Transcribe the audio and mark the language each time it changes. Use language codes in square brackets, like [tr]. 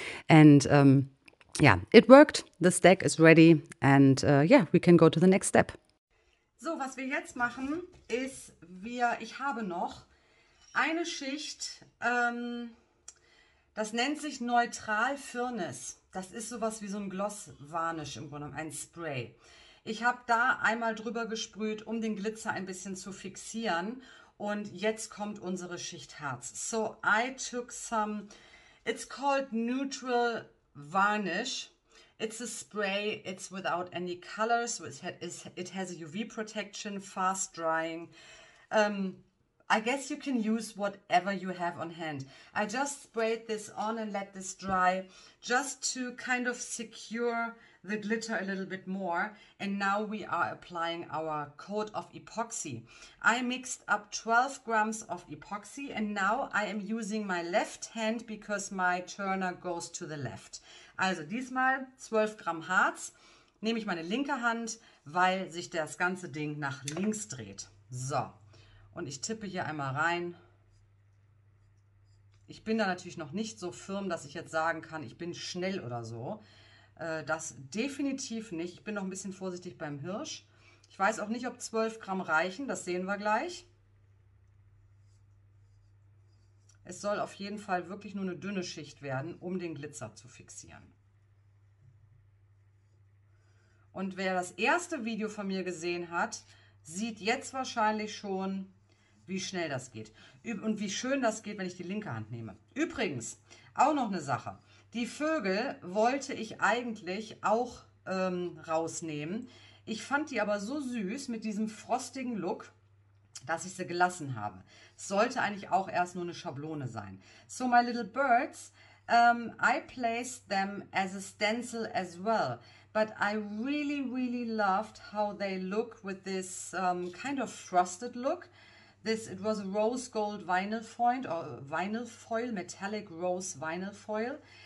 [en] And yeah, it worked. The stack is ready and yeah, we can go to the next step. [de] So, was wir jetzt machen, ist, ich habe noch eine Schicht, das nennt sich Neutral Firnis. Das ist sowas wie so ein Gloss-Varnish im Grunde genommen, ein Spray. Ich habe da einmal drüber gesprüht, um den Glitzer ein bisschen zu fixieren und jetzt kommt unsere Schicht Harz. [en] So, I took some, it's called Neutral Varnish. It's a spray, it's without any color, so it has a UV protection, fast drying. I guess you can use whatever you have on hand. I just sprayed this on and let this dry just to kind of secure the glitter a little bit more. And now we are applying our coat of epoxy. I mixed up 12 grams of epoxy and now I am using my left hand because my turner goes to the left. [de] Also diesmal 12 Gramm Harz, nehme ich meine linke Hand, weil sich das ganze Ding nach links dreht. So. Und ich tippe hier einmal rein. Ich bin da natürlich noch nicht so firm, dass ich jetzt sagen kann, ich bin schnell oder so. Das definitiv nicht. Ich bin noch ein bisschen vorsichtig beim Hirsch. Ich weiß auch nicht, ob 12 Gramm reichen. Das sehen wir gleich. Es soll auf jeden Fall wirklich nur eine dünne Schicht werden, um den Glitzer zu fixieren. Und wer das erste Video von mir gesehen hat, sieht jetzt wahrscheinlich schon, wie schnell das geht und wie schön das geht, wenn ich die linke Hand nehme. Übrigens, auch noch eine Sache. Die Vögel wollte ich eigentlich auch rausnehmen. Ich fand die aber so süß mit diesem frostigen Look, dass ich sie gelassen habe. Es sollte eigentlich auch erst nur eine Schablone sein. [en] So, my little birds, I placed them as a stencil as well. But I really, really loved how they look with this kind of frosted look. It was a rose gold vinyl foil, or vinyl foil, metallic rose vinyl foil.